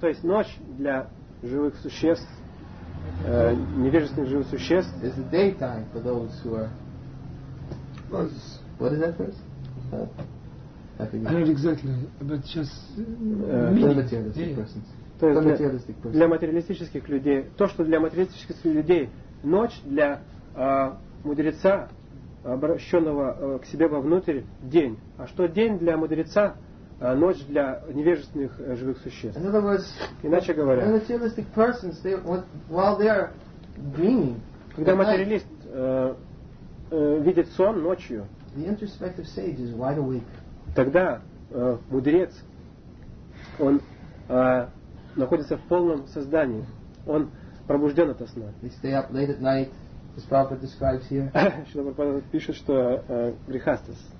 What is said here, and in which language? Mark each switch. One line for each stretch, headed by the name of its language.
Russian: То есть ночь для живых существ, невежественных живых существ.
English: Is the daytime for those who are? What is that first? Not exactly, but just materialistic persons.
Russian: То есть для материалистических людей. То, что для материалистических людей ночь, для мудреца, обращенного к себе вовнутрь, день. А что день для мудреца? Ночь для невежественных живых существ.
English: In other words,
Russian: иначе говоря,
English: when materialistic persons, they, while they are dreaming,
Russian: когда материалист видит сон ночью,
English: the introspective sage is wide awake.
Russian: Тогда мудрец, он находится в полном сознании, он пробужден ото сна.
English: They stay up late at night, as Prabhupada describes here.
Russian: Шрила Прабхупада пишет, что грихастас.